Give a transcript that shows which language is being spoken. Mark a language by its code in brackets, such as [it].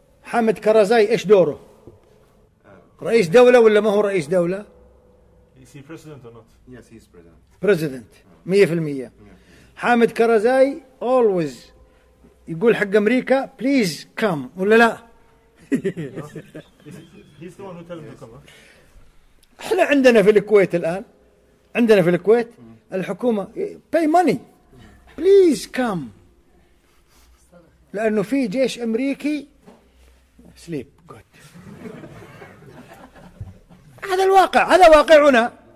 [ar] حامد كرزاي إيش دوره؟ رئيس دولة ولا ما هو رئيس دولة؟ [en] Is he president or not? Yes, he's president. President. 100%. [ar] حامد كرزاي always يقول حق أمريكا [en] please come [ar] ولا لا؟ [en] He's the one who tells him to come. [ar] إحنا عندنا في الكويت الآن، عندنا في الكويت الحكومة [en] pay money please come، [ar] لأنه في جيش أمريكي [en] sleep good. [ar] هذا الواقع، هذا واقعنا.